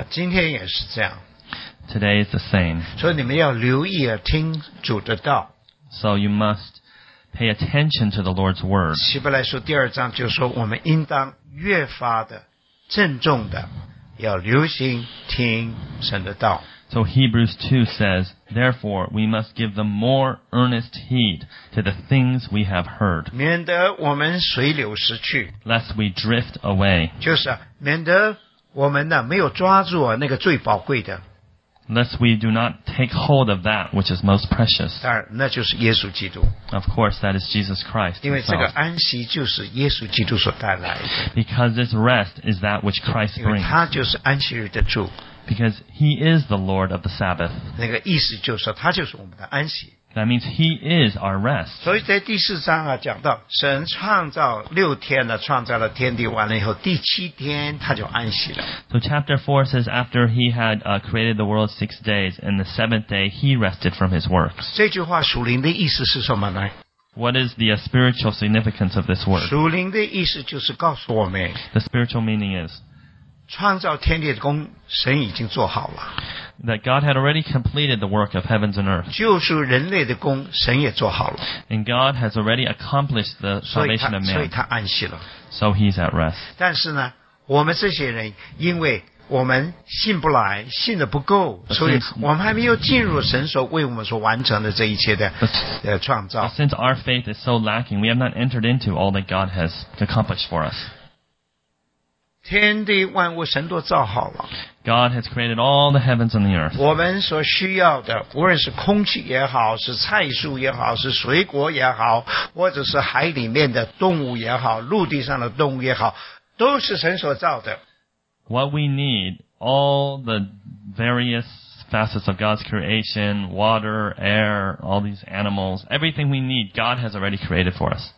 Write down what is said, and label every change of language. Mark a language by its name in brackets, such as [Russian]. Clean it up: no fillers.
[Chinese] 今天也是这样。 [English] Today is the same. [Chinese] 所以你们要留意啊，听主的道。 [English] So you must pay attention to the Lord's word. [Chinese] 希伯来书第二章就说我们应当越发的郑重的要留心听神的道。 [English] So Hebrews 2 says, therefore, we must give the more earnest heed to the things we have heard. [Chinese] 免得我们随流失去。 [English] Lest we drift away. [Chinese] 就是免得我们呢没有抓住那个最宝贵的。 [English] Lest we do not take hold of that which is most precious. [Chinese] 当然那就是耶稣基督。 [English] Of course, that is Jesus Christ. [Chinese] 因为这个安息就是耶稣基督所带来的。 [English] Because this rest is that which Christ brings. [Chinese] 因为他就是安息日的主。 [English] Because he is the Lord of the Sabbath. [Chinese] 那个意思就是说他就是我们的安息。 [English] That means he is our rest. [Chinese] 所以在第四章啊讲到神创造六天呢创造了天地完了以后第七天他就安息了。 [English] So chapter 4 says after he had created the world 6 days, and the seventh day he rested from his works. [Chinese] 这句话属灵的意思是什么呢？ [English] What is the spiritual significance of this word? [Chinese] 属灵的意思就是告诉我们。 [English] The spiritual meaning is, [Chinese] 创造天地的工神已经做好了。 [English] That God had already completed the work of heavens and earth. [Chinese] 救赎人类的工神也做好了。 [English] And God has already accomplished the salvation of man. [Chinese] 所以他安息了。 [English] So he's at rest. [Chinese] 但是呢，我们这些人因为我们信不来，信的不够，所以我们还没有进入神所为我们所完成的这一切的创造。 [English] But since our faith is so lacking, we have not entered into all that God has accomplished for us. [Chinese] 天地万物神都造好了。 [English] God has created all the heavens and the earth. [Chinese] 我们所需要的，无论是空气也好，是菜蔬也好，是水果也好，或者是海里面的动物也好，陆地上的动物也好，都是神所造的。 [English] What we need, all the various facets of God's creation, water, air, all these animals, everything we need, God has already created for us.